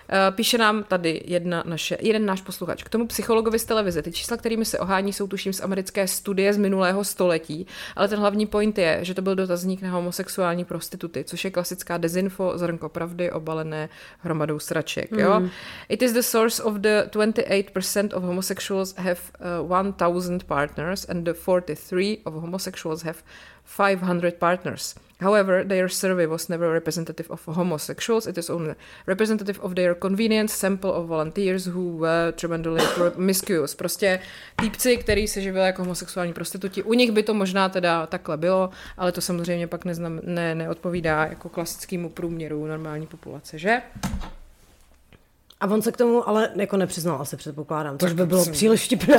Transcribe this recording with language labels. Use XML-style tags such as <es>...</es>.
<cs>Píše nám tady jeden náš posluchač. K tomu psychologovi z televize. Ty čísla, kterými se ohání, jsou tuším z americké studie z minulého století, ale ten hlavní point je, že to byl dotazník na homosexuální prostituty, což je klasická dezinfo, zrnko pravdy, obalené hromadou sraček. Jo?</cs> <en>It is the source of the 28% of homosexuals have 1,000 partners and the 43% of homosexuals have 500 partners. However, their survey was never representative of homosexuals. It is only representative of their convenient sample of volunteers who were tremendously promiscuous.</en> <cs>Prostě týpci, který se živili jako homosexuální prostituti. U nich by to možná teda takhle bylo, ale to samozřejmě pak neodpovídá jako klasickému průměru normální populace, že? A on se k tomu ale jako nepřiznal, asi předpokládám. Tož by bylo příliš vtipné.</cs>